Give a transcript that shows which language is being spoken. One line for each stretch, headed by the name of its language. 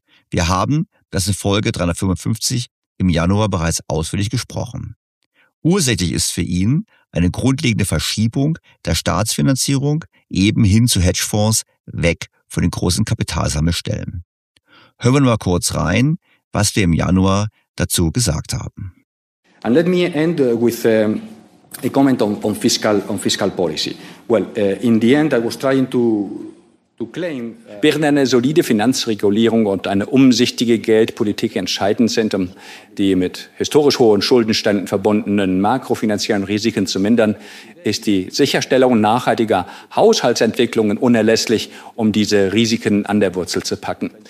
German: Wir haben das in Folge 355 im Januar bereits ausführlich gesprochen. Ursächlich ist für ihn eine grundlegende Verschiebung der Staatsfinanzierung eben hin zu Hedgefonds weg von den großen Kapitalsammelstellen. Hören wir mal kurz rein, was wir im Januar dazu gesagt haben.
English: And let me end with a comment on fiscal policy. Well, in the end I was trying to claim
German: während eine solide Finanzregulierung und eine umsichtige Geldpolitik entscheidend sind, um die mit historisch hohen Schuldenständen verbundenen makrofinanziellen Risiken zu mindern, ist die Sicherstellung nachhaltiger Haushaltsentwicklungen unerlässlich, um diese Risiken an der Wurzel zu packen.